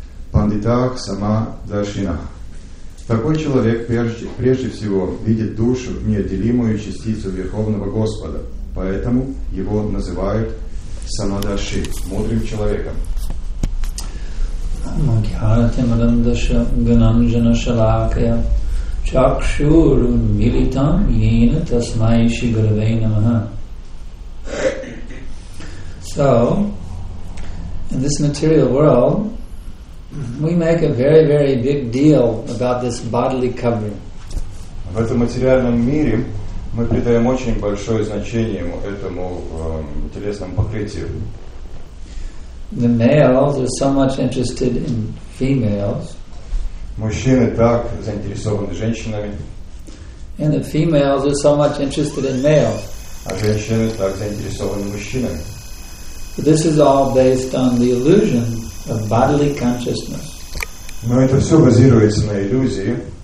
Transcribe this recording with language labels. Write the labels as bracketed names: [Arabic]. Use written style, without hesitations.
[Sanskrit] Пандитах сама даршинах. [Russian] Такой человек прежде всего видит душу, неотделимую частицу Верховного Господа, поэтому его называют Самадарши, мудрым человеком. Магьяти Мадандаша Гананджана Шалакая Чакшуру Милитам Йена Тасмай Ши Гурве Намаха. [English] So, in this material world, we make a very, very big deal about this bodily covering. [Russian] В этом материальном мире мы придаем очень большое значение этому телесному покрытию. [English] The males are so much interested in females. [Russian] Мужчины так заинтересованы женщинами. [English] And the females are so much interested in males. [Russian] А женщины так заинтересованы мужчинами. [English] But this is all based on the illusion of bodily consciousness. [Russian] Но это все базируется на иллюзии.